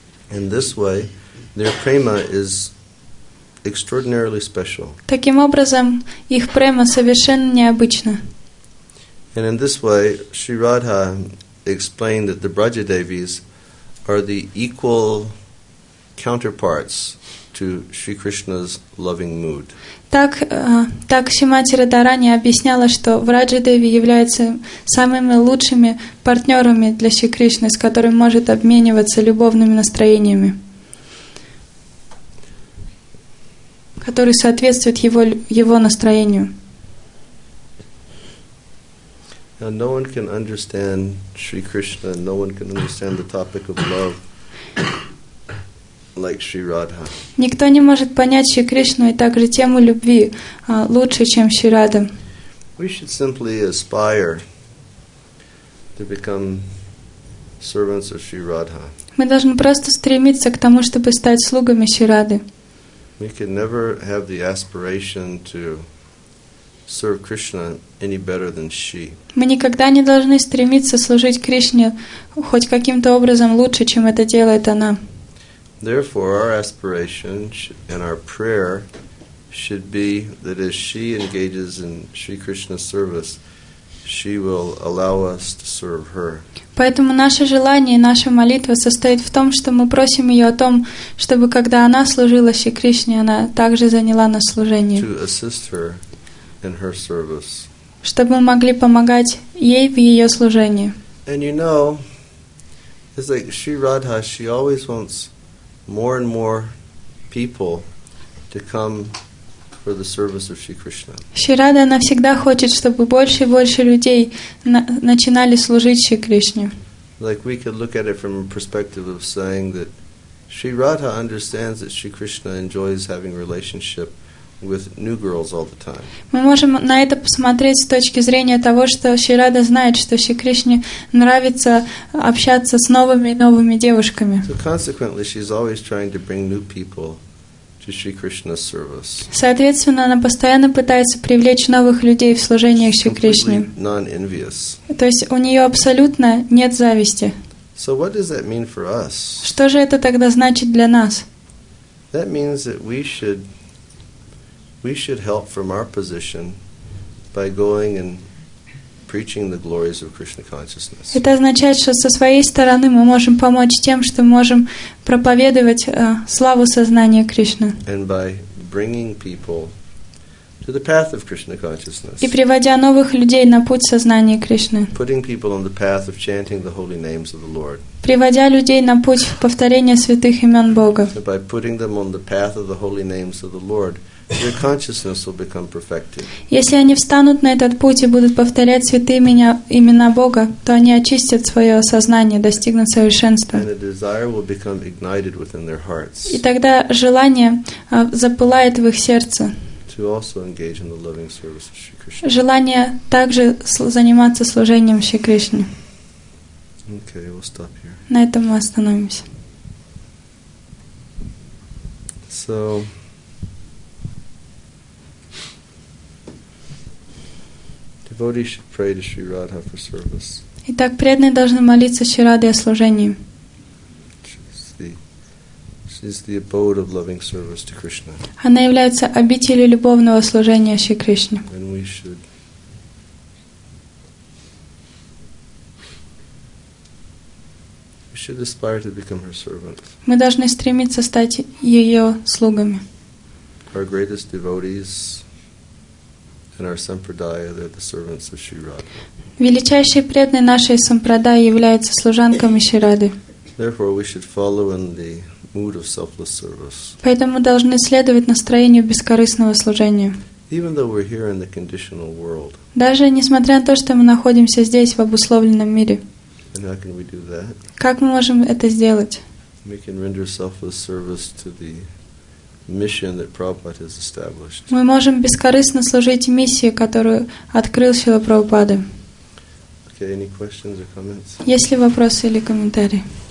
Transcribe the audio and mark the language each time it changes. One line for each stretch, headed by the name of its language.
English: In this way, their prema is extraordinarily special.
Russian: Таким образом, их према совершенно необычна.
English: And in this way, Sri Radha explained that the Brajadevis are the equal counterparts to Sri Krishna's loving mood.
Russian: Так Шримати Радхарани объясняла, что Враджадеви являются самыми лучшими партнерами для Шри Кришны, с которым может обмениваться любовными настроениями, которые соответствуют его настроению.
English: Now, no one can understand Shri Krishna, no one can understand the topic of love. Like Shri Radha.
Russian: Никто не может понять Шри Кришну и также тему любви лучше, чем Шри Радха.
English: We should simply aspire to become servants of Shri Radha.
Russian: Мы должны просто стремиться к тому, чтобы стать слугами Шри Радхи.
English: We can never have the aspiration to serve Krishna any better than she.
Russian: Мы никогда не должны стремиться служить Кришне хоть каким-то образом лучше, чем это делает она.
English: Therefore, our aspiration and our prayer should be that as she engages in Shri Krishna's service, she will allow us to serve her.
Russian: Поэтому наше желание и наша молитва состоит в том, что мы просим ее о том, чтобы когда она служила Шри Кришне, она также заняла нас служение.
English: To assist her in her service.
Russian: Чтобы мы могли помогать ей в ее служении.
English: And you know, it's like Shri Radha, she always wants more and more people to come for the service of Shri Krishna.
Russian: Шри Радха, она всегда хочет, чтобы больше и больше людей начинали служить Шри Кришне.
English: Like we could look at it from a perspective of saying that Shri Radha understands that Shri Krishna enjoys having relationship with new girls all the time.
Russian: Мы можем на это посмотреть с точки зрения того, что Шри Радха знает, что Шри Кришне нравится общаться с новыми и новыми девушками.
English: So consequently, she's always trying to bring new people to Shri Krishna's service.
Russian: Соответственно, она постоянно пытается привлечь новых людей в служение Шри Кришне.
English: Completely non-envious.
Russian: То есть у нее абсолютно нет зависти.
English: So what does that mean for us?
Russian: Что же это тогда значит для нас?
English: That means that we should help from our position by going and preaching the glories of Krishna consciousness.
Russian: Это означает, что со своей стороны мы можем помочь тем, что можем проповедовать славу сознания Кришны.
English: And by bringing people to the path of Krishna consciousness.
Russian: И приводя новых людей на путь сознания Кришны.
English: Putting people on the path of chanting the holy names of the Lord.
Russian: Приводя людей на путь повторения святых имен Бога.
English: By putting them on the path of the holy names of the Lord. their consciousness will become perfected.
Russian: Если они встанут на этот путь и будут повторять святые имена, имена Бога, то они очистят свое сознание, достигнут совершенства.
English: And the desire will become ignited within their hearts.
Russian: И тогда желание запылает в их сердце.
English: To also engage in the loving service of Shri Krishna.
Russian: Желание также заниматься служением Шри Кришне.
English: Okay, we'll stop here.
Russian: На этом мы остановимся.
English: So, devotee should pray to Sri Radha for service.
Russian: Итак, преданные должны молиться Шри Радхе о служении.
English: She's the abode of loving service to Krishna.
Russian: Она является обителью любовного служения Шри Кришне.
English: And we should aspire to become her servant.
Russian: Мы должны стремиться стать ее слугами.
English: Our greatest devotees and our sampradaya, they're the servants of Shri Radha.
Russian: Величайшие преданные нашей сампрадаи являются служанками Шри Радхи.
English: Therefore, we should follow in the mood of selfless service.
Russian: Поэтому мы должны следовать настроению бескорыстного служения.
English: Even though we're here in the conditional world.
Russian: Даже несмотря на то, что мы находимся здесь в обусловленном мире.
English: And how can we do that?
Russian: Как мы можем это сделать?
English: We can render selfless service to the mission that Prabhupada has established.
Russian: Мы можем бескорыстно служить миссии, которую открыл Шрила Прабхупада.
English: Okay, any questions or comments?
Russian: Есть ли вопросы или комментарии?